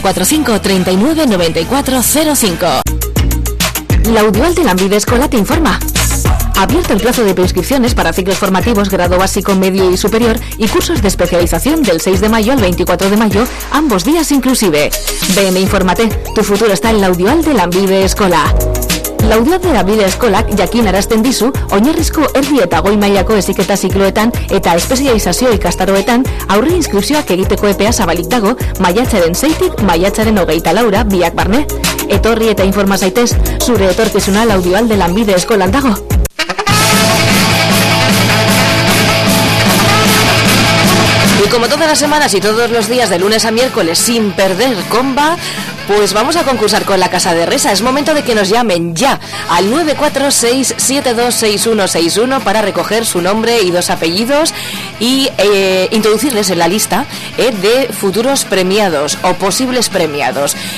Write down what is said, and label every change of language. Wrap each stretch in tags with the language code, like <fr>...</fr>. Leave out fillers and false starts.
<es>945-39-9405. La Audual de Lambide Escola te informa. Abierto el plazo de preinscripciones para ciclos formativos grado básico, medio y superior y cursos de especialización del 6 de mayo al 24 de mayo, ambos días inclusive. Ven e infórmate. Tu futuro está en la Audual de Lambide Escola.</es> <eu>La Audioa de la Bide Eskolak jakin arazten dizu, oinarrizko erdi eta goi mailako eziketa zikloetan eta espezializazio ikastaroetan aurre inskripzioak egiteko epea zabalik dago maiatzaren 6-tik maiatzaren 24-ra biak barne. Etorri eta informa zaitez, zure etorkizuna la Audioa de la Bide Eskolan dago.</eu> <es>Y como todas las semanas y todos los días de lunes a miércoles sin perder comba, pues vamos a concursar con la Casa de Resa. Es momento de que nos llamen ya al 946-726161 para recoger su nombre y dos apellidos y introducirles en la lista de futuros premiados o posibles premiados.</es>